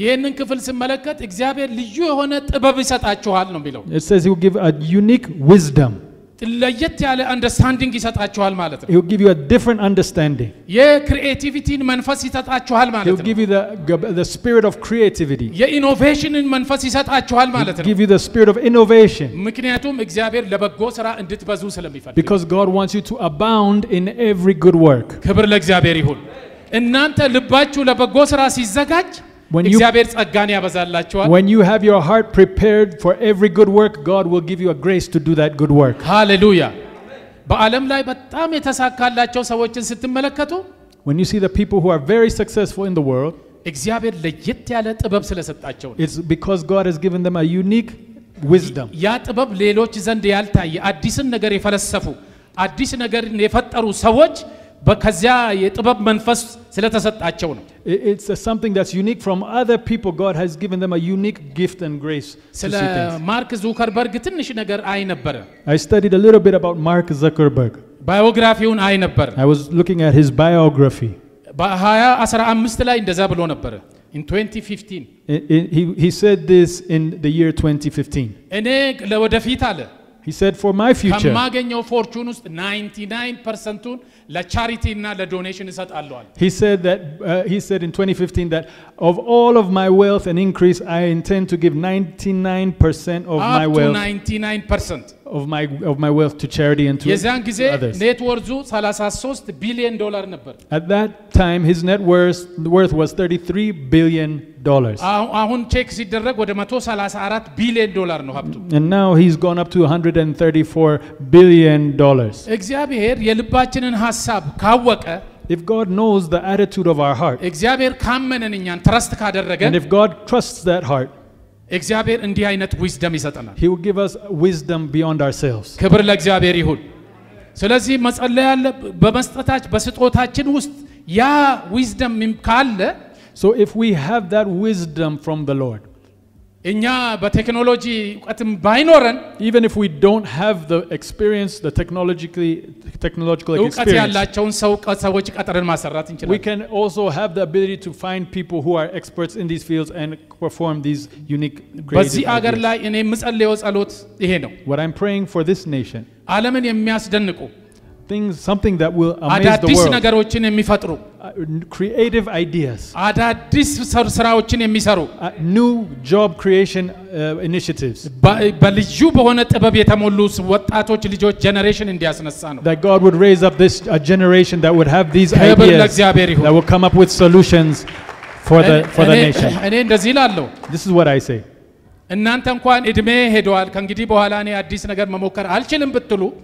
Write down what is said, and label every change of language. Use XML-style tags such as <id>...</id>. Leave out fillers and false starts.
<am>ይሄንን ክፍል ስመለከት እግዚአብሔር ልዩ የሆነ ጥበብ ይሰጣችኋል ነው የሚለው</am> <en>it says he will give a unique wisdom</en> <am>ለየት ያለ አንደርስታንዲንግ ይሰጣችኋል ማለት ነው</am> <en>he will give you a different understanding</en> <am>የክሪኤቲቪቲን መንፈስ ይሰጣችኋል ማለት ነው</am> <en>he will give you the spirit of creativity</en> <am>የኢኖቬሽንን መንፈስ ይሰጣችኋል ማለት ነው</am> <en>he will give you the spirit of innovation</en> <am>ምክንያቱም እግዚአብሔር ለበጎ ስራ እንድትበዙ ስለሚፈልግ</am> <en>because god wants you to abound in every good work</en> <am>ክብር ለእግዚአብሔር ይሁን እናንተ ልባችሁ ለበጎ ስራ ሲዘጋጅ እግዚአብሔር ጸጋን ያበዛላችኋል</am> <en>when you have your heart prepared for every good work god will give you a grace to do that good work</en> <am>hallelujah በአለም ላይ በጣም የተሳካላቸው ሰዎችን ስትመለከቱ</am> <en>when you see the people who are very successful in the world</en> <am>እግዚአብሔር ለየት ያለ ጥበብ ስለሰጣቸው</am> <en>it's because god has given them a unique wisdom</en> <am>ያ ጥበብ ሌሎች ዘንድ ያልታየ አዲስን ነገር የፈለሰፉ አዲስ ነገርን የፈጠሩ ሰዎች በከዚያ የጥበብ መንፈስ ስለተሰጣቸው ነው</am> <en>it's something that's unique from other people god has given them a unique gift and grace</en> <am>ስለ mark zuckerberg ትንሽ ነገር አይ ነበር</am> <en>I studied a little bit about mark zuckerberg</en> <am>biography-ውን አይ ነበር</am> <en>I was looking at his biography</en> <am>በ 2015 ላይ እንደዛ ብሎ ነበር</am> <en>in 2015 he said this in the year 2015</en> <am>እኔ ለወደፊት አለ</am> <en>He said, for my future.</en> <am>ከማገኘው ፎርቹን ውስጥ 99% ለቻሪቲ እና ለዶኔሽን እሰጣለሁ.</am> <en>He said in 2015 that of all of my wealth and increase I intend to give 99% of up my wealth. Up to 99%. Of my wealth to charity and to others. Net worth 33 billion dollars</en> <am>ነበር.</am> <en>At that time his net worth was 33 billion dollars.</en> <am>አሁን ቼክ ሲደረግ ወደ 134 billion ዶላር ነው ሀብቱ.</am> <en>And now he's gone up to 134 billion dollars.</en> <am>እግዚአብሔር የልባችንን ሐሳብ ካወቀ,</am> <en>if God knows the attitude of our heart,</en> <am>እግዚአብሔር ካመነን እኛን trust ካደረገ,</am> <en>and if God trusts that heart,</en> <am>እግዚአብሔር እንዲህ አይነት wisdom ይሰጠናል.</am> <en>He will give us wisdom beyond ourselves.</en> <am>ክብር ለእግዚአብሔር ይሁን. ስለዚህ መጸለይ ያለ በመስጠታችን በስጦታችን ውስጥ ያ wisdom ካለ,</am> <en>so if we have that wisdom from the Lord,</en> <am>እኛ በቴክኖሎጂ እውቀትም ባይኖረን,</am> <en>even if we don't have the experience, the technological experience,</en> <am>ያላቸውን ሰዎች ቀጥረን ማሰራት እንችላለን.</am> <en>We can also have the ability to find people who are experts in these fields and perform these unique creative</en> <am>በዚህ አገር ላይ እኔ የምጸልየው ጸሎት ይሄ ነው.</am> <en>What I'm praying for this nation,</en> <am>ዓለምን የሚያስደንቁ</am> <en>things, something that will amaze the world,</en> <am>ነገሮችን የሚፈጥሩ</am> <en>creative ideas,</en> <am>አዳዲስ ስራዎችን የሚሰሩ</am> <en>new job creation initiatives,</en> <am>በልዩ በሆነ ጥበብ የተሞሉ ወጣቶች ልጆች generation እንዲያስነሳ ነው.</am> <en>That God would raise up this a generation that would have these ideas, that would come up with solutions for the nation.</en> <am>እኔ እንደዚህ እላለሁ.</am> <en>This is what I say.</en> <am>እናንተ እንኳን እድሜ ሄዷል ከእንግዲህ በኋላ እኔ አዲስ ነገር መሞከር አልችልም ብትሉ,</am>